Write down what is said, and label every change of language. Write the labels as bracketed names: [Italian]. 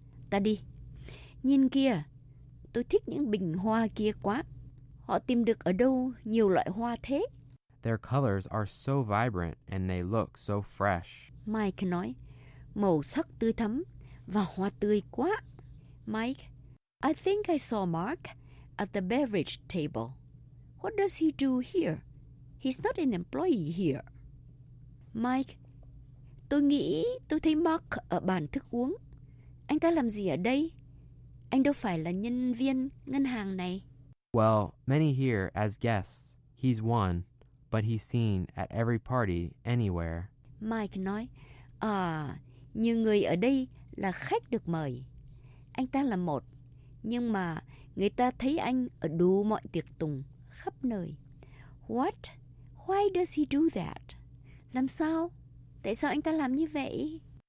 [Vietnamese] Ta đi. Nhìn kìa. Tôi thích những bình hoa kia quá. Họ tìm được ở đâu nhiều loại hoa thế? [English] Their colors are so vibrant and they look so fresh. [Vietnamese] Mike nói. Màu sắc tươi thắm và hoa tươi quá. [English] Mike, I think I saw Mark at the beverage table. What does he do here? He's not an employee here. [Vietnamese] Mike, tôi nghĩ tôi thấy Mark ở bàn thức uống. Anh ta làm gì ở đây? Anh đâu phải là nhân viên ngân hàng này. [English] Well, many here as guests. He's one, but he's seen at every party anywhere. [Vietnamese] Mike nói, à, nhiều người ở đây là khách được mời. Anh ta là một, nhưng mà người ta thấy anh ở đủ mọi tiệc tùng khắp nơi. [English] What? Why does he do that? [Vietnamese] Làm sao? Tại sao anh ta làm như vậy?